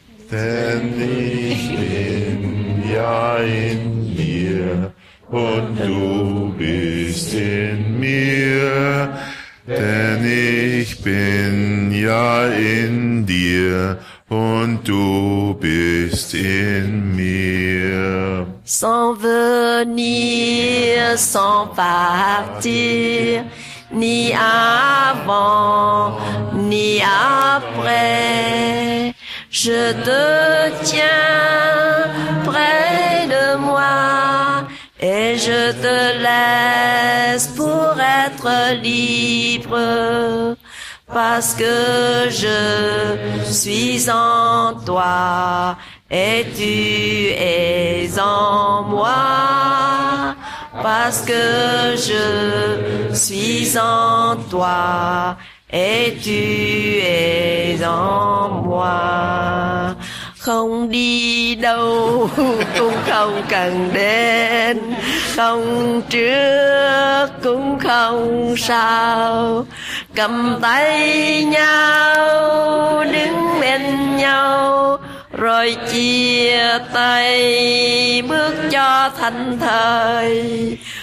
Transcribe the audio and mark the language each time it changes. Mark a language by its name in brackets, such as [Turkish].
[German] Denn ich bin ja in dir und du bist in mir. Denn ich bin ja in dir und du bist in mir. [French] Sans venir, sans partir, ni avant, ni après, je te tiens près de moi. Et je te laisse pour être libre, parce que je suis en toi et tu es en moi, parce que je suis en toi et tu es en moi. [Vietnamese] Không đi đâu cũng không cần đến, không trước cũng không sau, cầm tay nhau đứng bên nhau rồi chia tay bước cho thành thời,